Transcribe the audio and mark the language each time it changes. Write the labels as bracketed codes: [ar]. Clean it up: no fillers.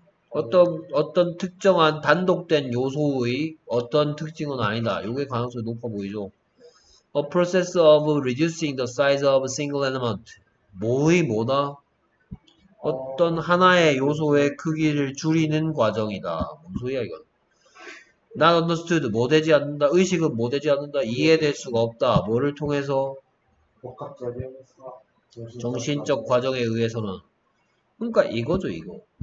[ko] 어떤 특정한 단독된 요소의 어떤 특징은 아니다. 요게 가능성이 높아 보이죠. [en] A process of reducing the size of a single element. [ko] 뭐의 뭐다? 어떤 하나의 요소의 크기를 줄이는 과정이다. 뭔 소리야 이건? [en] Not understood. [ko] 뭐 되지 않는다. 의식은 뭐 되지 않는다. 이해될 수가 없다. 뭐를 통해서? 복합적인 정신적 과정에 의해서는. 그러니까 이거죠 이거.